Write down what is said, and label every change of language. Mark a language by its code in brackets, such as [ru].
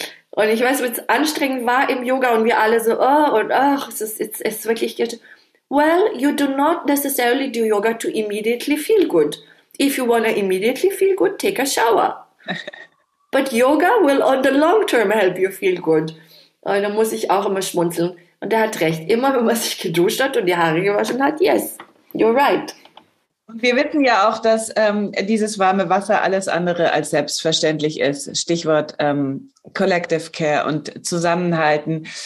[de] Und ich weiß, wie es anstrengend war im Yoga und wir alle so, oh, und ach, es ist wirklich, [en] well, you do not necessarily do yoga to immediately feel good. If you wanna immediately feel good, take a shower. But yoga will on the long term help you feel good. [de] Und da muss ich auch immer schmunzeln. Und er hat recht, immer wenn man sich geduscht hat und die Haare gewaschen hat, [en] yes, you're right. [de] Und wir wissen ja auch, dass dieses warme Wasser alles andere als selbstverständlich ist. Stichwort Collective Care und Zusammenhalten.